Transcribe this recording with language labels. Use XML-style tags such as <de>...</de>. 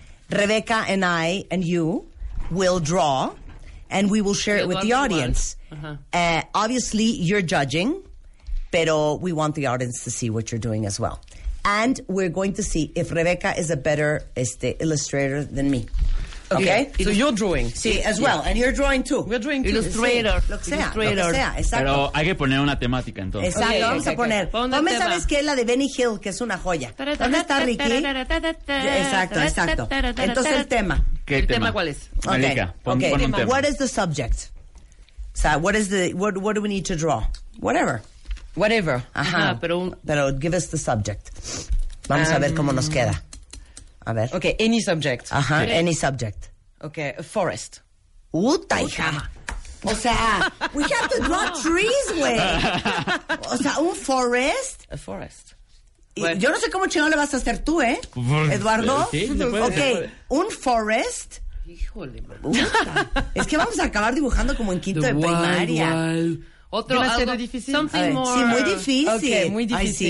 <en>Rebecca and I and you will draw, and we will share it with the audience. Uh-huh. Obviously, you're judging,</en> <es>pero</es> <en>we want the audience to see what you're doing as well. And we're going to see if Rebecca is a better illustrator than me. Okay. So you're drawing.</en> <es>Sí,</es> <en>as well. Yeah. And you're drawing too. We're drawing too. Illustrator.</en> <es>Sí. Lo que sea, exacto. Pero hay que poner una temática entonces. Exacto, okay, vamos a poner. ¿Dónde sabes que es la de Benny Hill, que es una joya? ¿Dónde está Ricky? Exacto. Entonces el tema. ¿Qué el tema cuál es? Malika, pon un tema.</es> <en>What is the subject? So what do we need to draw? Whatever. Whatever.</en> <es>Ajá. Pero</es> <en>give us the subject.</en> <es>Vamos a ver cómo nos queda. A ver.</es> <en>Okay, any subject.</en> <es>Ajá,</es> <en>any subject. Okay, a forest.</en> <es>¡Uta, hija! O sea,</es> <en>we have to draw trees,</en> <es>güey. O sea, un forest.</es> <en>A forest.</en> <es>Well, yo no sé cómo chingón le vas a hacer tú, Eduardo. Sí, okay, un forest. Híjole,</es> <en>man.</en> <es>Es que vamos a acabar dibujando como en quinto de primaria. Otro algo difícil.</es> <en>Something more.</en> <es>Sí, muy difícil. Okay, muy difícil.</es>